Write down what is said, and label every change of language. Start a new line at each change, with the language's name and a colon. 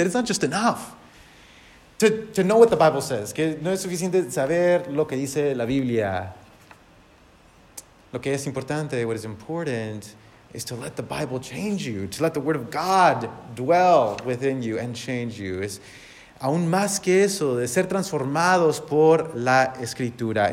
English: It's not just enough to know what the Bible says.
Spanish: Que no es suficiente saber lo que dice la Biblia. Lo que es importante,
English: what is important, is to let the Bible change you. To let the Word of God dwell within you and change you.
Spanish: Es aún más que eso, de ser transformados por la Escritura.